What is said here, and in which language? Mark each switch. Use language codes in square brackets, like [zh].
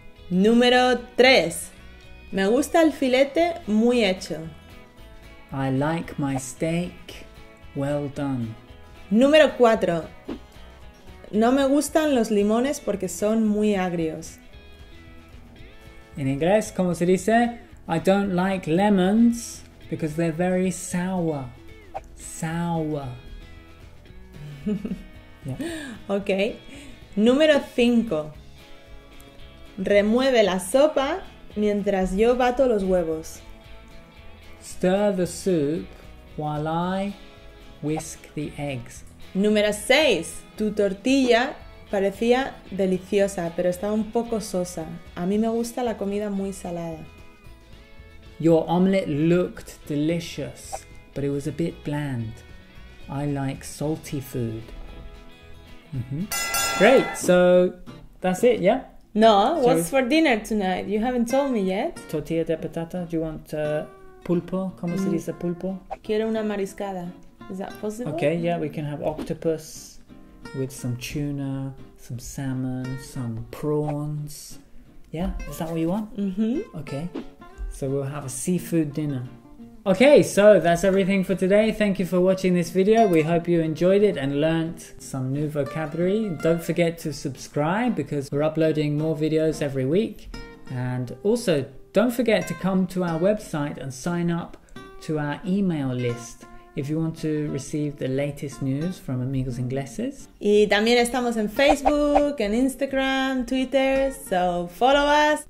[es] Número 3. Me gusta el filete muy hecho. [en] I like my steak well done. [es] Número 4. No me gustan los limones porque son muy agrios. En inglés, ¿cómo se dice? [en] I don't like lemons because they're very sour. Sour. Yeah. [es] Ok. Número 5. Remueve la sopa mientras yo bato los huevos. [en] Stir the soup while I whisk the eggs. [es] Número 6. Tu tortilla parecía deliciosa, pero estaba un poco sosa. A mí me gusta la comida muy salada. [en] Your omelette looked delicious, but it was a bit bland. I like salty food. Mm-hmm. Great, so that's it, yeah? No, sorry. What's for dinner tonight? You haven't told me yet. [es] Tortilla de patata. [en] Do you want pulpo? [es] ¿Cómo se dice pulpo? Quiero una mariscada. [en] Is that possible? Okay, yeah, we can have octopus with some tuna, some salmon, some prawns. Yeah, is that what you want? Mm-hmm. Okay, so we'll have a seafood dinner. Okay, so that's everything for today. Thank you for watching this video. We hope you enjoyed it and learnt some new vocabulary. Don't forget to subscribe because we're uploading more videos every week. And also, don't forget to come to our website and sign up to our email list if you want to receive the latest news from Amigos Ingleses. [es] Y también estamos en Facebook, en Instagram, Twitter, [en] so follow us.